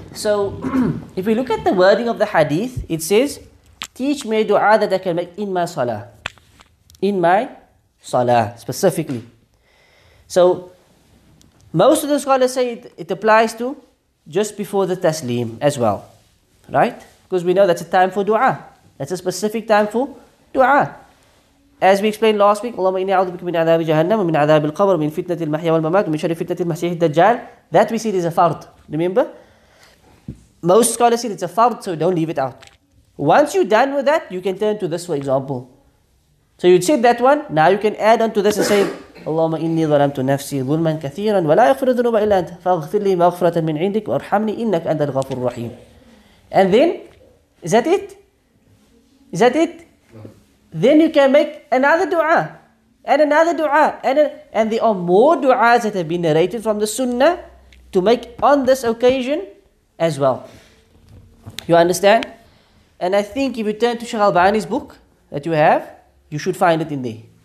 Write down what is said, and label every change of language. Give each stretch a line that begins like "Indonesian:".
English: So, if we look at the wording of the hadith, it says, teach me a dua that I can make in my salah. In my salah, specifically. So, most of the scholars say it applies to just before the taslim as well. Right? Because we know that's a time for dua. That's a specific time for dua. As we explained last week,
Arabic: اللهم إني أعوذ بك من عذاب جهنم ومن عذاب القبر ومن فتنة المحيا والممات ومن شر فتنة المسيح الدجال.
English: That we see is a fard. Remember? Most scholars say it's a fard, so don't leave it out. Once you're done with that, you can turn to this for example. So you'd say that one, now you can add on to this and say,
Arabic: اللهم إني ظلمت نفسي ظلما كثيرا ولا يغفر الذنوب إلا أنت فاغفر لي مغفرة من عندك وارحمني إنك أنت الغفور الرحيم.
English: And then, is that it? Is that it? Then you can make another dua and another dua, and there are more du'as that have been narrated from the sunnah to make on this occasion as well. You understand? And I think if you turn to Sheikh Albani's book that you have, you should find it in there.